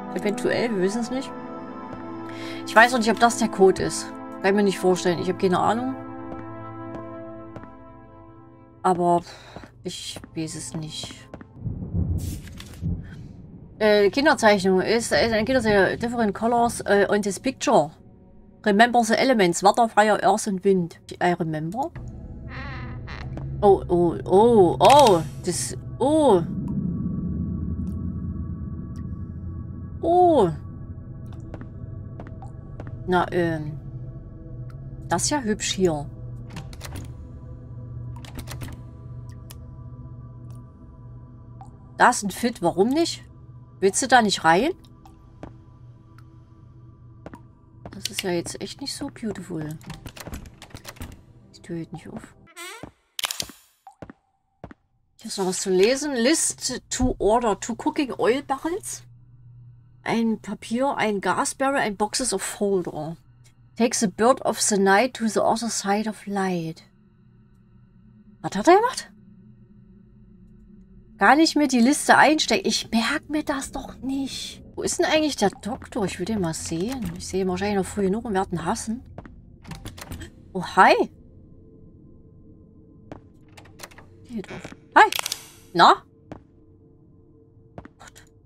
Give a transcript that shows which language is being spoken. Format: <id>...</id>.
<de>Eventuell, wir wissen es nicht. Ich weiß noch nicht, ob das der Code ist. Kann ich mir nicht vorstellen. Ich habe keine Ahnung. Aber ich weiß es nicht. Kinderzeichnung ist ein Kinderzeichnung.</de> <en>Different colors on this picture. Remember the elements. Water, fire, earth and wind. I remember. Oh, oh, oh, oh. Das. Oh. Oh.</en> <de>Na, das ist ja hübsch hier. Das ist ein Fit. Warum nicht? Willst du da nicht rein? Das ist ja jetzt echt nicht so beautiful. Die Tür hält nicht auf. Hier ist noch was zu lesen.</de> <en>List to order two cooking oil barrels.</en> <de>Ein Papier, ein Gasbarrel, ein</de> <en>Boxes of Folder. Take the bird of the night to the other side of light.</en> <de>Was hat er gemacht? Gar nicht mehr die Liste einstecken. Ich merke mir das doch nicht. Wo ist denn eigentlich der Doktor? Ich will den mal sehen. Ich sehe ihn wahrscheinlich noch früh genug und werde ihn hassen.</de> <en>Oh, hi.</en> <de>Hier drauf. Hi. Na? Gott.</de>